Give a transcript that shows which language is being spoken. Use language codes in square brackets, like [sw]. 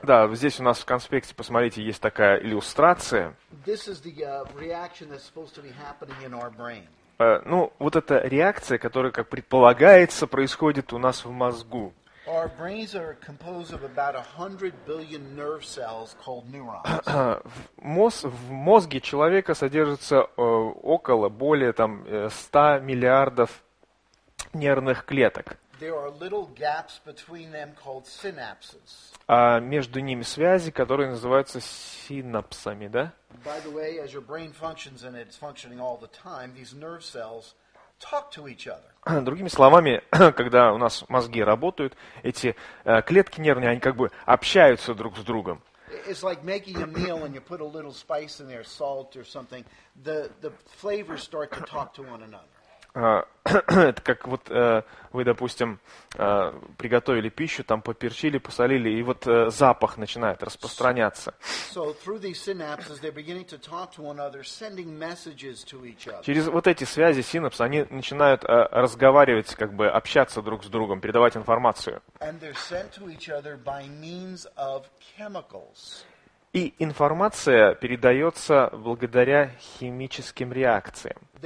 [ru] Да, здесь у нас в конспекте, посмотрите, есть такая иллюстрация. [en] This is the reaction that's supposed to be happening in our brain. [ru] Ну, вот эта реакция, которая, как предполагается, происходит у нас в мозгу. [en] Our brains are composed of about 100 billion nerve cells called neurons. [ru] В мозге человека содержится более 100 миллиардов нервных клеток. [en] There are little gaps between them called synapses. [ru] А между ними связи, которые называются синапсами, да? [en] By the way, as your brain functions and it's functioning all the time, these nerve cells talk to each other. [ru] Другими словами, когда у нас мозги работают, эти клетки нервные, они как бы общаются друг с другом. [en] it's like making a meal and you put a little spice in there, salt or something. The flavors start to talk to one another. [ru] Это как вот вы, допустим, приготовили пищу, там поперчили, посолили, и вот запах начинает распространяться. [en] So through these synapses, they're beginning to talk to one another, sending messages to each other. [ru] Через вот эти связи синапсы, они начинают разговаривать, как бы общаться друг с другом, передавать информацию. [en] And they're sent to each other by means of chemicals. [ru] И информация передается благодаря химическим реакциям.